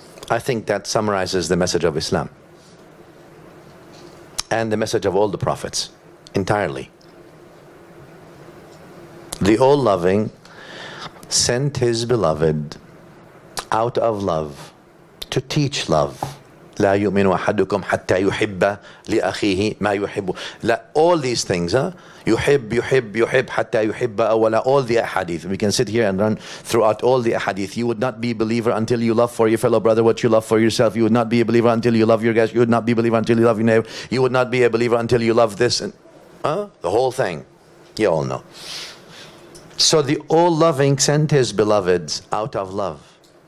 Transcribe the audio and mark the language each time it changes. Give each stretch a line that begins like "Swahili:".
English: I think that summarizes the message of Islam and the message of all the prophets entirely. The all-loving sent his beloved out of love to teach love.
Arabic: لا يؤمن أحدكم حتى يحب لأخيه ما يحب.
English: All these things, huh?
Arabic: يحب حتى يحب أولا.
English: All the ahadith. We can sit here and run throughout all the ahadith. You would not be a believer until you love for your fellow brother what you love for yourself. You would not be a believer until you love your guest. You would not be a believer until you love your neighbor. You would not be a believer until you love this. And the whole thing. You all know. So the all-loving sent his beloveds out of love.